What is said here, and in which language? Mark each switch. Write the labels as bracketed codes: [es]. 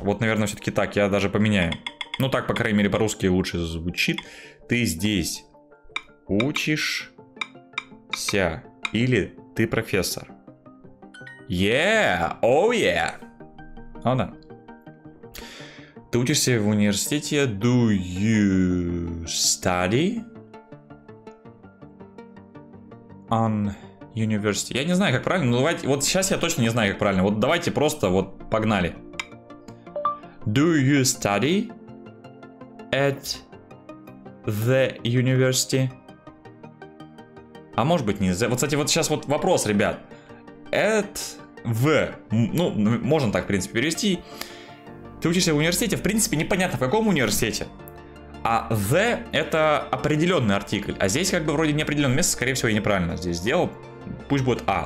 [ru] Вот, наверное, все-таки так, я даже поменяю. Ну, так, по крайней мере, по-русски лучше звучит. Ты здесь учишься или ты профессор? [en] Yeah! Oh, yeah! [ru] Ну, да. Ты учишься в университете. [en] Do you study on university? [ru] Я не знаю, как правильно, но давайте... Вот сейчас я точно не знаю, как правильно. Вот давайте просто, вот, погнали. [en] Do you study at the university? [ru] А может быть не the... Вот, кстати, вот сейчас вот вопрос, ребят. [en] At в... [ru] Ну, можно так, в принципе, перевести... Ты учишься в университете? В принципе, непонятно, в каком университете. А the — это определенный артикль. А здесь как бы вроде неопределенное место, скорее всего, я неправильно здесь сделал. Пусть будет a.